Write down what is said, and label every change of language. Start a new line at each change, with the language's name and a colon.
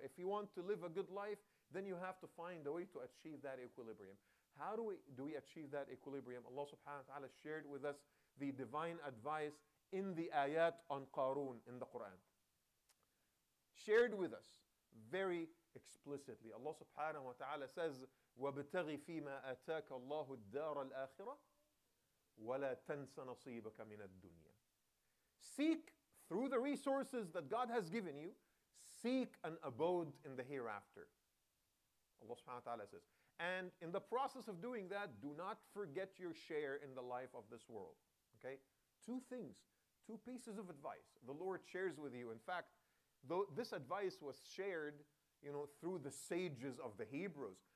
English: If you want to live a good life, then you have to find a way to achieve that equilibrium. How do we achieve that equilibrium? Allah subhanahu wa ta'ala shared with us the divine advice in the ayat on Qarun in the Quran. Shared with us very explicitly.
Arabic: Allah subhanahu wa ta'ala says, وَابْتَغِ فِيمَا آتَاكَ اللَّهُ الدَّارَ الْآخِرَةِ وَلَا تَنْسَ نَصِيبَكَ مِنَ الدُّنْيَا.
English: Seek through the resources that God has given you, seek an abode in the hereafter. Allah subhanahu wa ta'ala says, and in the process of doing that, do not forget your share in the life of this world. Okay? Two things, two pieces of advice the Lord shares with you. In fact, though this advice was shared, you know, through the sages of the Hebrews.